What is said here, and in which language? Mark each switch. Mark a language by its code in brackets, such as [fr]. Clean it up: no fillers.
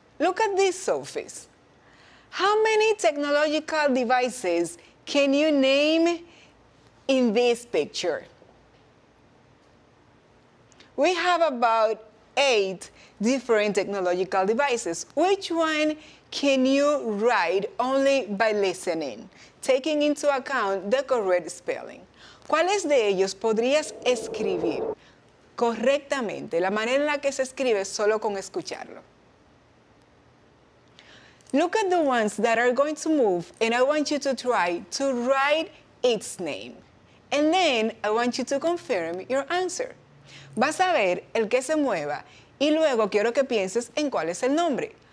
[en] Look at this office. How many technological devices can you name in this picture? We have about 8 different technological devices. Which one can you write only by listening, taking into account the correct spelling? [es] ¿Cuáles de ellos podrías escribir correctamente, la manera en la que se escribe solo con escucharlo? [en] Look at the ones that are going to move, and I want you to try to write its name. And then I want you to confirm your answer. [es] Vas a ver el que se mueva y luego quiero que pienses en cuál es el nombre.